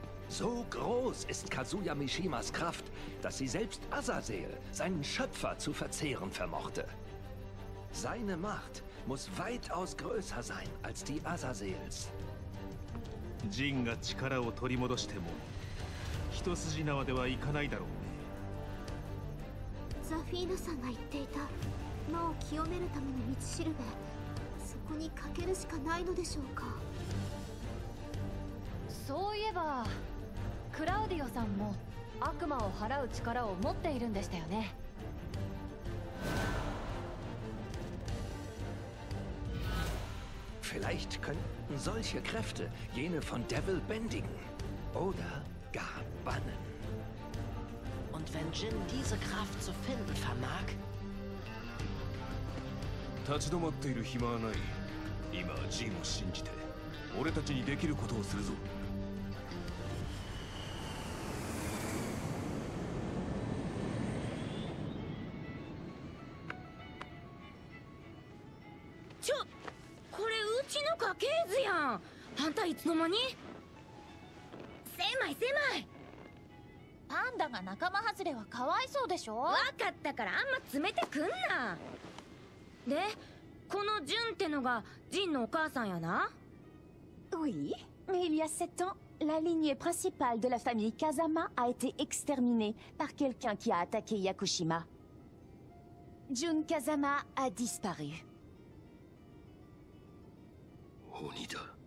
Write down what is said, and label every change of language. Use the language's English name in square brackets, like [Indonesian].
[German] So groß ist Kazuya Mishimas Kraft, dass sie selbst Azazel, seinen Schöpfer, zu verzehren vermochte. Seine Macht muss weitaus größer sein als die Azazels. [Japanese] Jin が力を取り戻しても、一筋縄ではいかないだろうね。ザフィーナさんが言っていた。魔を清めるための道しるべ、そこにかけるしかないのでしょうか。そういえばクラウディオさんも悪魔を払う力を持っているんでしたよね。 [German] Vielleicht könnten solche Kräfte jene von Devil bändigen oder gar bannen. Und wenn Jin diese Kraft zu finden vermag? [Japanese] 立ち止まっている暇はない。今はジンを信じて、俺たちにできることをするぞ。ちょ、これうちの家系図やん。あんたいつの間に？狭い狭い。パンダが仲間外れはかわいそうでしょ。わかったからあんま詰めてくんな。で。このジュンってのがジンのお母さんやな。 [French] Oui, il y a 7 ans, la lignée principale de la famille Kazama a été exterminée par quelqu'un qui a attaqué Yakushima. ジュン Kazama a disparu. [Japanese] 鬼だ。